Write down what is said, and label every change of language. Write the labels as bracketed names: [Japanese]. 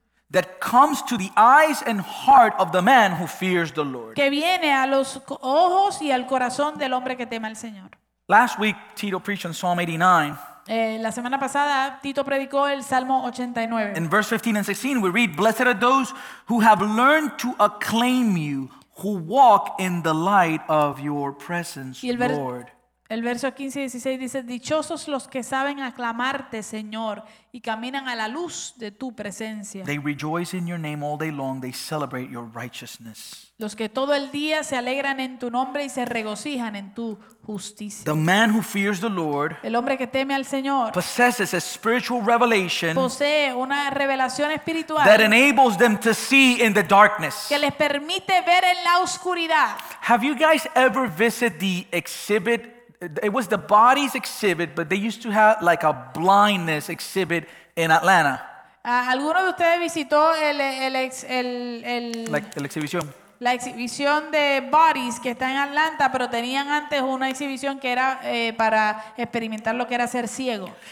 [English] That comes to the eyes and heart of the man who fears the Lord. [Spanish] Que viene a los ojos y al corazón del hombre que teme al Señor. [English] Last week, Tito preached on Psalm 89. [Spanish] La semana pasada, Tito predicó el Salmo 89. [English] In verse 15 and 16, we read, "Blessed are those who have learned to acclaim you, who walk in the light of your presence, Lord." [Spanish] El verso 15 y 16 dice, dichosos los que saben aclamarte, Señor, y caminan a la luz de tu presencia. [English] They rejoice in your name all day long, they celebrate your righteousness. [Spanish] Los que todo el día se alegran en tu nombre y se regocijan en tu justicia. [English] The man who fears the Lord, [Spanish] el hombre que teme al Señor, [English] possesses a spiritual revelation, [Spanish] posee una revelación espiritual, [English] that enables them to see in the darkness, [Spanish] que les permite ver en la oscuridad. [English] Have you guys ever visited the exhibit? It was the bodies exhibit, but they used to have like a blindness exhibit in Atlanta. [Spanish] ¿Alguno de ustedes visitó la exhibición? La exhibición de bodies que está en Atlanta, pero tenían antes una exhibición que era para experimentar lo que era ser ciego.